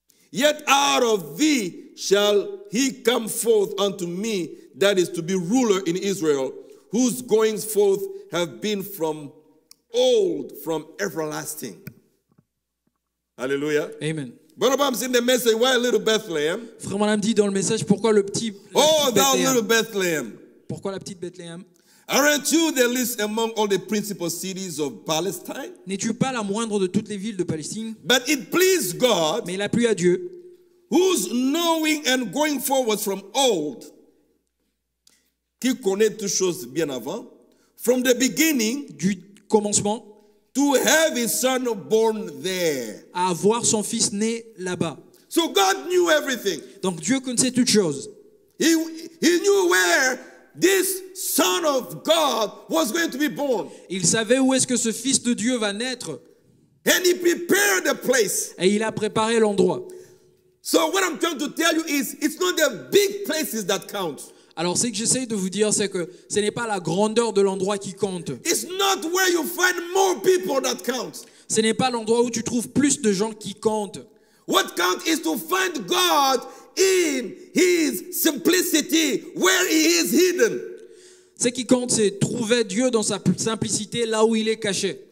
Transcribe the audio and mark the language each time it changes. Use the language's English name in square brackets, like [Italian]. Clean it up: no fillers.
[English] Yet out of thee shall he come forth unto me, that is to be ruler in Israel, whose goings forth have been from old, from everlasting. Hallelujah. Amen. Bonobam's in the message, why little Bethlehem? [French] Frère Manam dit dans le message, pourquoi le petit Bethlehem? [English] Oh, thou little Bethlehem. [French] Pourquoi la petite Bethlehem? [English] Aren't you the least among all the principal cities of Palestine? [French] N'es-tu pas la moindre de toutes les villes de Palestine? [English] But it pleased God, [French] mais il a plu à Dieu, [English] whose knowing and going forward from old, [French] qui connaît toutes choses bien avant, [English] from the beginning, [French] du commencement, [English] to have his son born there, [French] à avoir son fils né là-bas. [English] So God knew everything. [French] Donc Dieu connaissait toutes choses. [English] He knew where this son of God was going to be born. [French] Il savait où est-ce que ce fils de Dieu va naître. [English] And he prepared the place. [French] Et il a préparé l'endroit. [English] So what I'm trying to tell you is, it's not the big places that count. [French] Alors ce que j'essaie de vous dire, c'est que ce n'est pas la grandeur de l'endroit qui compte. [English] It's not where you find more people that counts. [French] Ce n'est pas l'endroit où tu trouves plus de gens qui comptent. [English] What counts is to find God in his simplicity, where he is hidden. [French] Ce qui compte, c'est trouver Dieu dans sa simplicité, là où il est caché.